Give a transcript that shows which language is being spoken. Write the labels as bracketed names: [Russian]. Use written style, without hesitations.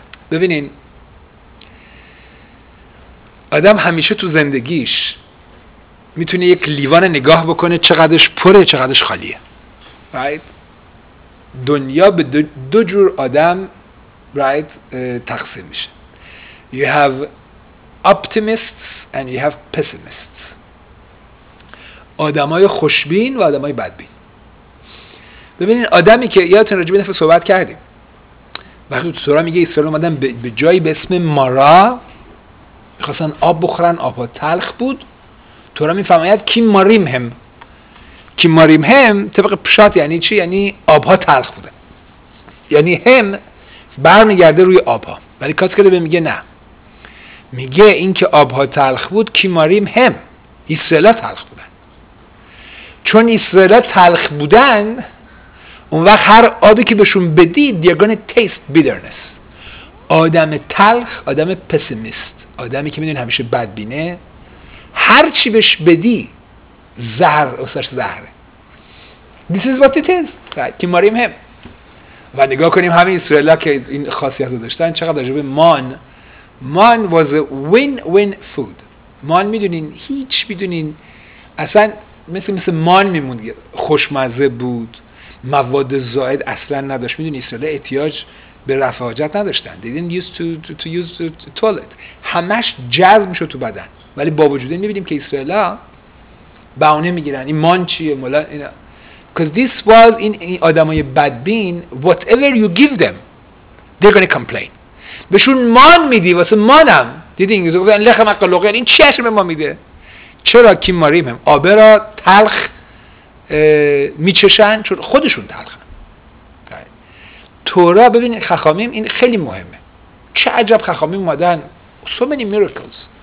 [Persian] ببینین آدم همیشه تو زندگیش میتونه یک لیوان نگاه بکنه چقدرش پره چقدرش خالیه، right؟ دنیا به دو جور آدم right تقسیم میشه. [English] You have optimists and you have pessimists. [Persian] آدمای خوشبین و آدمای بدبین. ببینین آدمی که یادتون راجع به نفس صحبت کردیم، وقتی تو تورا میگه اسرائیل اومدن به جایی به اسم مارا، میخواستن آب بخورن، آبها تلخ بود. تورا میفرماید کی ماریم هم، کی ماریم هم طبق پشت یعنی چی؟ یعنی آبها تلخ بوده، یعنی هم برمیگرده روی آبها. ولی کاتکل به میگه نه، میگه این که آبها تلخ بود کی ماریم هم، اسرائیل تلخ بودن. چون اسرائیل تلخ بودن اون وقت هر آبی که بهشون بدید [English] دیگون تیست بیدرنس. [Persian] آدم تلخ، آدم پسیمیست، آدمی که میدونه همیشه بدبینه، هر چی بهش بدی زهر اصلاش زهره. [English] This is what it is. [Persian] که ماریم هم و نگاه کنیم همه اسرائیل که این خاصیت رو داشتن چقدر عجبه. [English] مان was a win-win food. [Persian] مان میدونین هیچ میدونین اصلا مثل مان میموند، خوشمزه بود، مواد زائد اصلا نداشت. میدونی اسرائیل احتیاج به رفع حاجت نداشتن. [English] They didn't use to use the toilet. [Persian] همش جذب میشد تو بدن. ولی با وجود این میبینیم که اسرائیل ها بهانه میگیرن این مان چیه مولا اینا. [English] Because this was [Persian] این آدم های بدبین [English] whatever you give them they're gonna complain. [Persian] بهشون مان میدی واسه مانم. دیدین یوزو گفتن لخ مقلوقه، این چی هشم به ما میده؟ چرا کی ماریم هم آبه را تلخ میچشن؟ چون خودشون تلخن. تورا ببینید خخامیم این خیلی مهمه. چه عجب خخامیم اومدن [English] so many miracles.